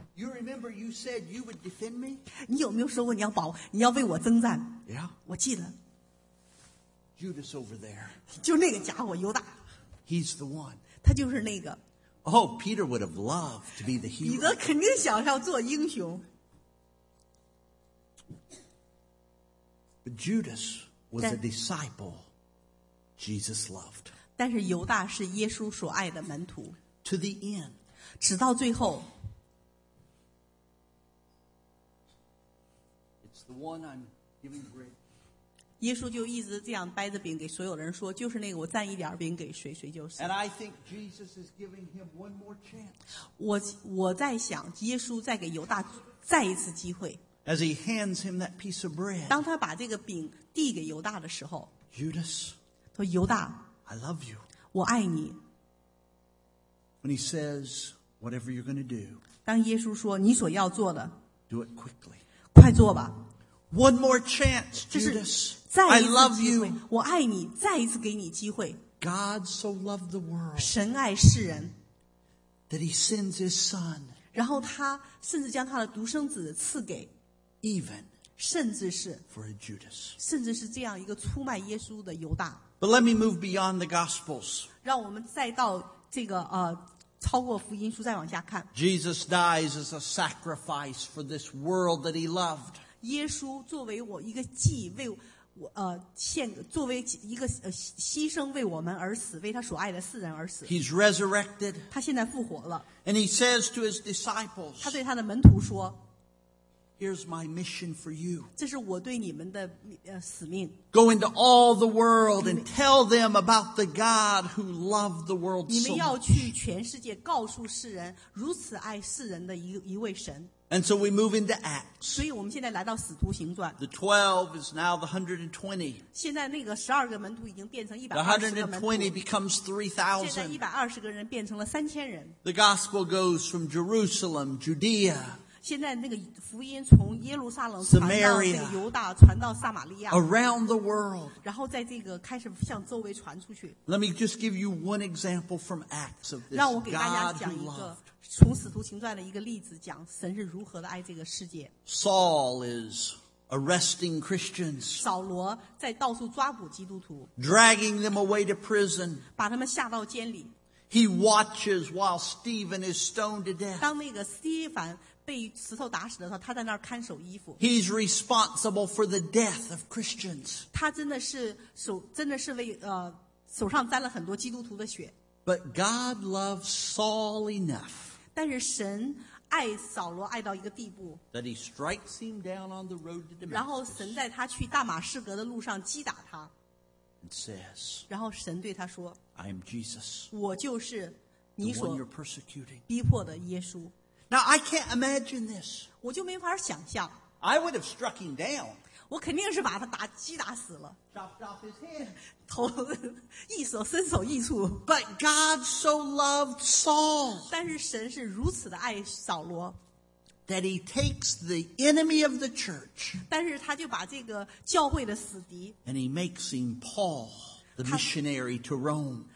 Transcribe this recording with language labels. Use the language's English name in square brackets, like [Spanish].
[English] You remember you said you would defend me? [Chinese] 你有没有说过你要保，你要为我征战 [English] ？Yeah. [Chinese] 我记得。 [English] Judas over there. [Chinese] 就那个家伙犹大。 [English] He's the one. [Chinese] 他就是那个。 [English] Oh, Peter would have loved to be the hero. [Chinese] 彼得肯定想要做英雄。 [English] But Judas was a disciple Jesus loved. [Chinese] 但是犹大是耶稣所爱的门徒 [English] to the end [Chinese] 直到最后 [English] It's the one I'm giving bread. [Chinese] 耶稣就一直这样掰着饼给所有人说就是那个我蘸一点饼给谁谁就是 [English] And I think Jesus is giving him one more chance. [Chinese] 我在想耶稣再给犹大再一次机会 [English] As he hands him that piece of bread. [Chinese] 当他把这个饼递给犹大的时候 [English] Judas [Chinese] 说犹大 [English] I love you. [Chinese] 我爱你。 [English] When he says, "Whatever you're going to do," [Chinese] 当耶稣说你所要做的 [English] ，do it quickly. [Chinese] 快做吧。 [English] One more chance, Judas. [Chinese] 再一次机会。 [English] I love you. [Chinese] 我爱你。再一次给你机会。 [English] God so loved the world. [Chinese] 神爱世人。 [English] That he sends his son. [Chinese] 然后他甚至将他的独生子赐给。 [English] Even. [Chinese] 甚至是。 [English] For a Judas. [Chinese] 甚至是这样一个出卖耶稣的犹大。 [English] But let me move beyond the Gospels. [Chinese] 让我们再到这个超过福音书再往下看。 [English] Jesus dies as a sacrifice for this world that he loved. [Chinese] 耶稣作为我一个祭为我献作为一个牺牲为我们而死为他所爱的世人而死。 [English] He's resurrected. [Chinese] 他现在复活了。 [English] And he says to his disciples. [Chinese] 他对他的门徒说。 [English] Here's my mission for you. [Chinese] 这是我对你们的使命。 [English] Go into all the world and tell them about the God who loved the world so much. [Chinese] 你们要去全世界告诉世人如此爱世人的一位神。 [English] And so we move into Acts. [Chinese] 所以我们现在来到使徒行传。 [English] The 12 is now the 120. [Chinese] 现在那个12个门徒已经变成120个门徒。 [English] The 120 becomes 3,000. [Chinese] 现在120个人变成了3,000人。 [English] The gospel goes from Jerusalem, Judea. [Chinese] 现在那个福音从耶路撒冷传到那个犹大，传到撒玛利亚。 [English] Around the world. [Chinese] 然后在这个开始向周围传出去。 [English] Let me just give you one example from Acts of this. [Chinese] 让我给大家讲一个。从使徒行传的一个例子讲神是如何的爱这个世界。 [English] Saul is arresting Christians. [Chinese] 扫罗在到处抓捕基督徒。 [English] Dragging them away to prison. [Chinese] 把他们下到监里。 [English] He watches while Stephen is stoned to death. [Chinese] 当那个斯蒂凡被石头打死的时候他在那儿看守衣服。 [English] He's responsible for the death of Christians. [Chinese] 他真的是为手上沾了很多基督徒的血。 [English] But God loves Saul enough. [Chinese] 但是神爱扫罗爱到一个地步。 [English] That he strikes him down on the road to Damascus. [Chinese] 然后神在他去大马士革的路上击打他。 [English] And says. [Chinese] 然后神对他说。 [English] I am Jesus. [Chinese] 我就是你所。 [English] The one you're persecuting. [Chinese] 逼迫的耶稣。 [English] Now I can't imagine this. [Chinese] 我就没法想象。 [English] I would have struck him down. [Chinese] 我肯定是把他打击打死了。 [English] Chopped off his head. [Chinese] 头一手伸手一处。 [English] But God so loved Saul. [Chinese] 但是神是如此的爱扫罗。 [English] That he takes the enemy of the church. [Chinese] 但是他就把这个教会的死敌。 [English] And he makes him Paul, the missionary to Rome.